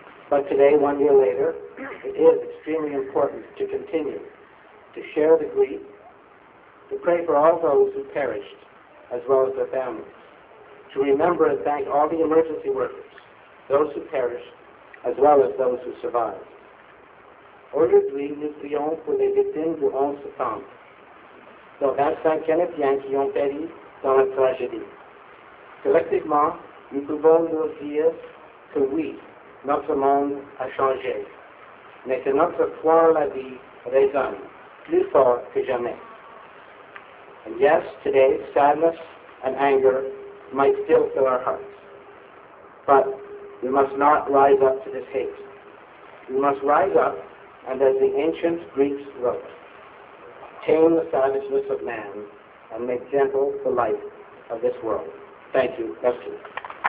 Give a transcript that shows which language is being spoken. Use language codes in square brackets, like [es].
[en] But today, 1 year later, it is extremely important to continue to share the grief, to pray for all those who perished, as well as their families, to remember and thank all the emergency workers, those who perished, as well as those who survived. [fr] Aujourd'hui, nous prions pour les victimes du 11 septembre, dont 25 Canadiens qui ont péri dans la tragédie. Collectivement, nous pouvons nous dire que oui, notre monde a changé, mais que notre foi en la vie résonne plus fort que jamais. [en] And yes, today, sadness and anger might still fill our hearts, but we must not rise up to this hate. We must rise up, and as the ancient Greeks wrote, tame the savageness of man and make gentle the life of this world. Thank you. Thank you.